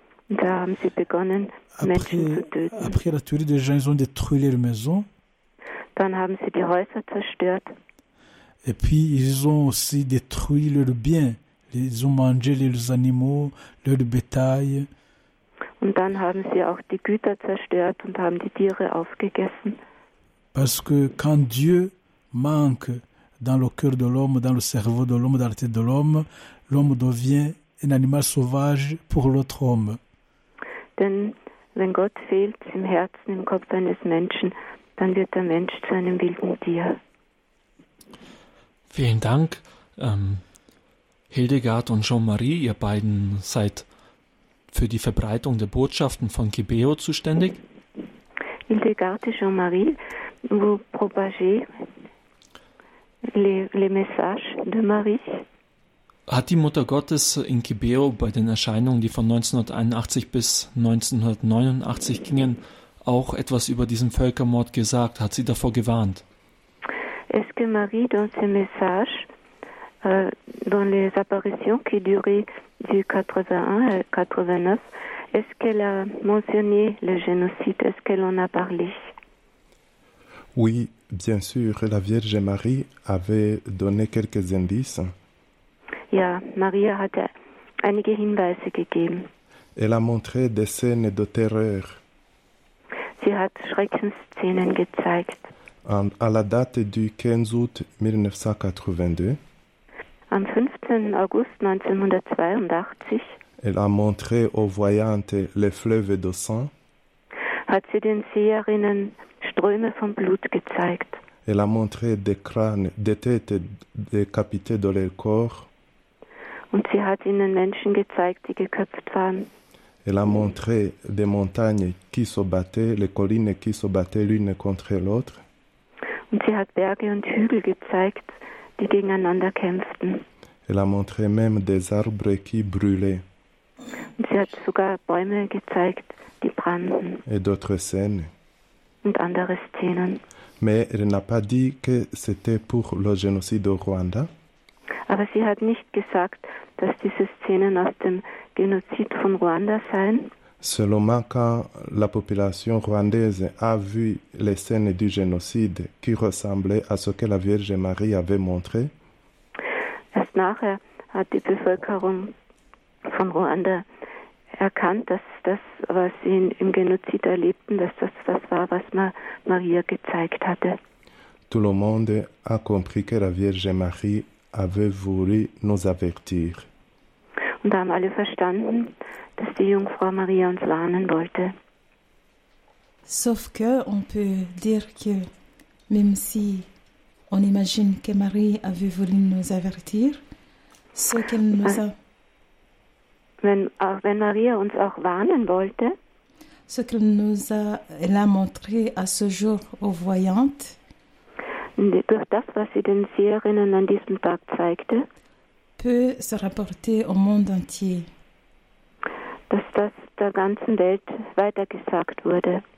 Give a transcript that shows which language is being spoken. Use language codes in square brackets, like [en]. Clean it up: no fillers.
[de] Und da haben sie begonnen, Menschen zu töten. [fr] Après la tuerie des gens, ils ont détruit leurs maisons. [de] Dann haben sie die Häuser zerstört. [fr] Et puis, ils ont aussi détruit leurs biens. Ils ont mangé leurs animaux, leur bétail. [de] Und dann haben sie auch die Güter zerstört und haben die Tiere aufgegessen. [fr] Parce que quand Dieu manque dans le cœur de l'homme, dans le cerveau de l'homme, dans la tête de l'homme, l'homme devient un animal sauvage pour l'autre homme. [de] Denn wenn Gott fehlt im Herzen, im Kopf eines Menschen, dann wird der Mensch zu einem wilden Tier. Vielen Dank, Hildegard und Jean-Marie, ihr beiden seid für die Verbreitung der Botschaften von Gibeo zuständig. Hildegard und Jean-Marie, [fr] vous propagez les messages de Marie. [de] Hat die Mutter Gottes in Kibeo bei den Erscheinungen, die von 1981 bis 1989 gingen, auch etwas über diesen Völkermord gesagt? Hat sie davor gewarnt? [fr] Est-ce que Marie, dans ses messages, dans les apparitions qui duraient du 81 à 89, est-ce qu'elle a mentionné le génocide? Est-ce qu'elle en a parlé? Oui, bien sûr, la Vierge Marie avait donné quelques indices. [de] Ja, Maria hatte einige Hinweise gegeben. [fr] Elle a montré des scènes de terreur. [de] Sie hat Schreckensszenen gezeigt. [fr] À la date du 15 août 1982. [de] Am 15. August 1982. [fr] Elle a montré aux voyantes les fleuves de sang. [de] Hat sie den Seherinnen Ströme von Blut gezeigt. [fr] Elle a montré des crânes, des têtes décapitées de leur corps. [de] Und sie hat ihnen Menschen gezeigt, die geköpft waren. [fr] Elle a montré des montagnes qui se battaient, les collines qui se battaient l'une contre l'autre. [de] Und sie hat Berge und Hügel gezeigt, die gegeneinander kämpften. [fr] Elle a montré même des arbres qui brûlaient. [de] Und sie hat sogar Bäume gezeigt, die brannten. [fr] Et d'autres scènes. [de] Und andere Szenen. [fr] Mais elle n'a pas dit que c'était pour le génocide au Rwanda. [de] Aber sie hat nicht gesagt, dass diese Szenen aus dem Genozid von Ruanda seien. [fr] Seulement quand la population rwandaise a vu les scènes du génocide qui ressemblaient à ce que la Vierge Marie avait montré. [de] Erst nachher hat die Bevölkerung von Ruanda erkannt, dass das, was sie im Genozid erlebten, dass das das war, was Maria gezeigt hatte. [fr] Tout le monde a compris que la Vierge Marie avait voulu nous avertir. [de] Und haben alle verstanden, dass die Jungfrau Maria uns warnen wollte. [fr] Sauf que on peut dire que même si on imagine que Marie avait voulu nous avertir, ce qu'elle nous a... [de] Wenn Maria uns auch warnen wollte, [fr] ce qu'elle nous a, elle a montré à ce jour aux voyantes, [de] durch das, was sie den Seherinnen an diesem Tag zeigte, [fr] peut se rapporter au monde entier. [de] Dass das der ganzen Welt weitergesagt wurde.